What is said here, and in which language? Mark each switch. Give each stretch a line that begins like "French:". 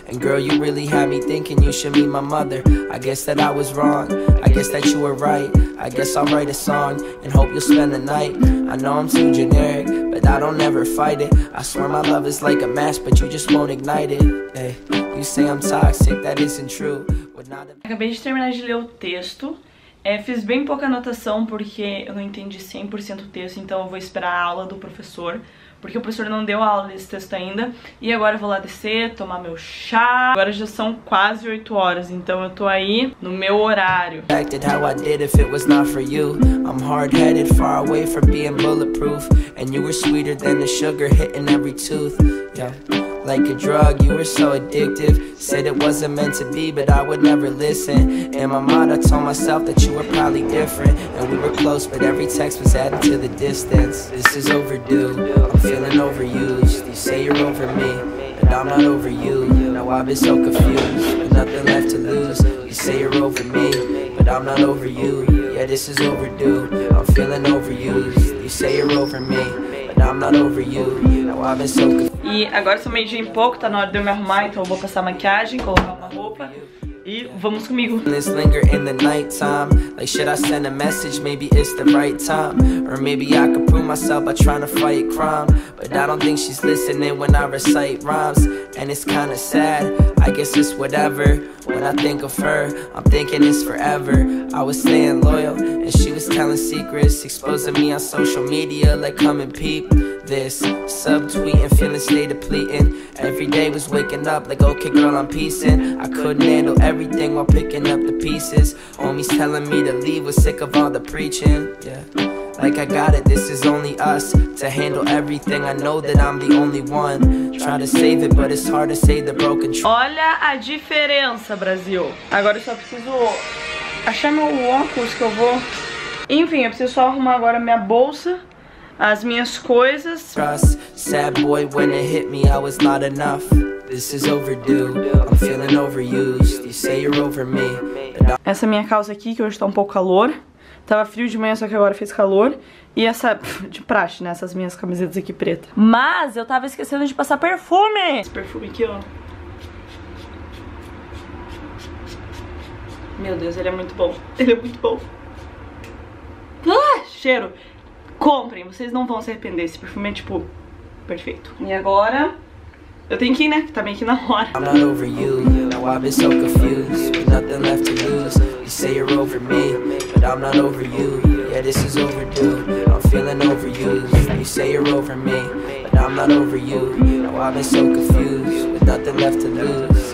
English: And girl, you really had me thinking you should meet my mother. I guess that I was wrong, I guess that you were right. I guess I'll write a song and hope you'll spend the night. I know I'm too generic, but I don't ever fight it. I swear my love is like a match, but you just won't ignite it. Hey, you say I'm toxic, that isn't true. Would not have...
Portuguese: Acabei de terminar de ler o texto. É, fiz bem pouca anotação porque eu não entendi 100% o texto, então eu vou esperar a aula do professor, porque o professor não deu aula desse texto ainda. E agora eu vou lá descer, tomar meu chá. Agora já são quase 8 horas, então eu tô aí no meu horário.
English: How I did if it was not for you. I'm hard-headed, far away from being bulletproof. And you were sweeter than the sugar hitting every tooth. Yeah. Like a drug, you were so addictive. Said it wasn't meant to be, but I would never listen. In my mind, I told myself that you were probably different. And we were close, but every text was added to the distance. This is overdue, I'm feeling overused. You say you're over me, but I'm not over you. Now I've been so confused, with nothing left to lose. You say you're over me, but I'm not over you. Yeah, this is overdue, I'm feeling overused. You say you're over me, but I'm not over you. Now I've been so confused.
Portuguese: E agora são meio dia em pouco, tá na hora de eu me arrumar, então eu vou passar maquiagem, colocar uma roupa e vamos comigo.
English: This linger in the night time, like should I send a message, maybe it's the right time. Or maybe I could prove myself by trying to fight crime. But I don't think she's listening when I recite rhymes. And it's kinda sad, I guess it's whatever. When I think of her, I'm thinking it's forever. I was staying loyal, and she was telling secrets. Exposing me on social media, like come and peep. This subtweeting, feeling stay depleting. Every day was waking up like, okay girl, I'm peacing. I couldn't handle everything while picking up the pieces. Homies telling me to leave, was sick of all the preaching. Yeah, like I got it, this is only us. To handle everything, I know that I'm the only one. Try to save it, but it's hard to save the broken.
Portuguese: Olha a diferença, Brasil. Agora eu só preciso achar meu óculos que eu vou. Enfim, eu preciso só arrumar agora minha bolsa, as minhas coisas.
English: Trust, sad boy, when it hit me, I was not enough. This is overdue, I'm feeling overused. You say you're over me.
Portuguese: Essa minha calça aqui, que hoje tá um pouco calor. Tava frio de manhã, só que agora fez calor. E essa, de praxe, né? Essas minhas camisetas aqui pretas. Mas eu tava esquecendo de passar perfume. Esse perfume aqui, ó. Meu Deus, ele é muito bom. Ele é muito bom. Ah, cheiro. Comprem, vocês não vão se arrepender. Esse perfume é, tipo, perfeito. E agora? Eu tenho que ir, né? Tá bem aqui na hora.
English: I'm not over you. Now I've been so confused. With nothing left to lose. You say you're over me. But I'm not over you. Yeah, this is overdue. I'm feeling overused. You say you're over me. But I'm not over you. Now I've been so confused. With nothing left to lose.